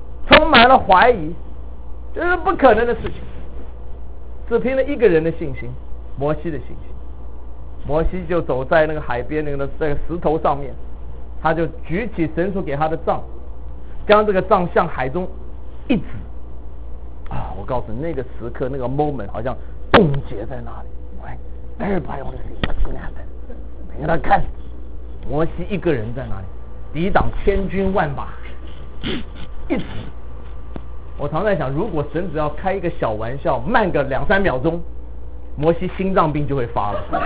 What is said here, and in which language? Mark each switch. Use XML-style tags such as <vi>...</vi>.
<zh>充满了怀疑，这是不可能的事情。只凭了一个人的信心，摩西的信心，摩西就走在那个海边那个石头上面，他就举起神所给他的杖，将这个杖向海中。一直啊，我告诉你，那个时刻那个 moment 好像冻结在那里。</zh> <en>Everybody wants to see what's going to happen，</en> <zh>没给他看。摩西一个人在那里抵挡千军万马，一直，我常在想，如果神只要开一个小玩笑慢个两三秒钟，摩西心脏病就会发了。</zh>